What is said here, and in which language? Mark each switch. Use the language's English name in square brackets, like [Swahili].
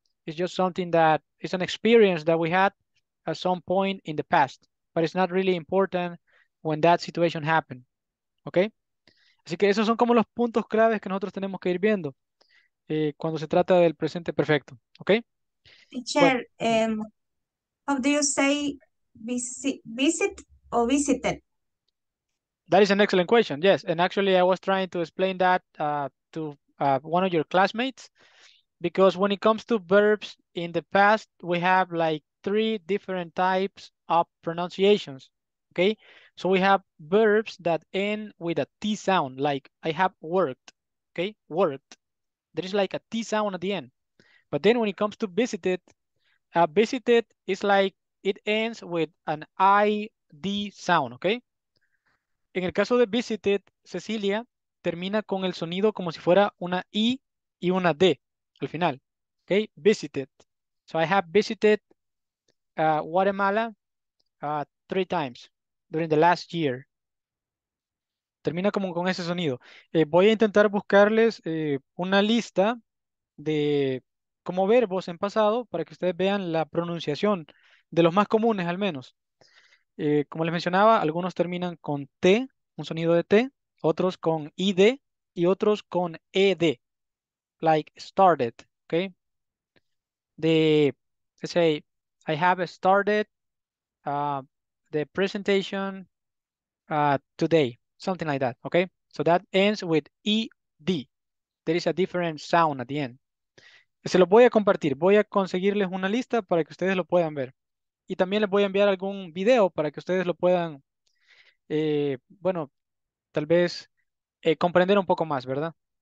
[English] It's just something that, it's an experience that we had at some point in the past, but it's not really important when that situation happened, okay? [Spanish] Así que esos son como los puntos claves que nosotros tenemos que ir viendo cuando se trata del presente perfecto, okay? [English] Teacher, how do you say visit or visited? That is an excellent question, yes. And actually, I was trying to explain that to one of your classmates, because when it comes to verbs in the past, we have like three different types of pronunciations, okay? So we have verbs that end with a T sound, like I have worked, okay? Worked. There is like a T sound at the end. But then when it comes to visited, visited is like it ends with an ID sound, okay? [Spanish] En el caso de visited, Cecilia termina con el sonido como si fuera una I y una D al final, okay? Visited. [English] So I have visited Guatemala three times during the last year. [Spanish] Termina como con ese sonido. Voy a intentar buscarles una lista de como verbos en pasado para que ustedes vean la pronunciación de los más comunes al menos. Como les mencionaba, algunos terminan con T, un sonido de T, otros con ID y otros con ED. [English] Like started, okay? Let's say, I have started the presentation today. Something like that, okay? So that ends with ED. There is a different sound at the end. [Spanish] Se lo voy a compartir. Voy a conseguirles una lista para que ustedes lo puedan ver. Y también les voy a enviar algún video para que ustedes lo puedan, bueno, tal vez comprender un poco más, ¿verdad?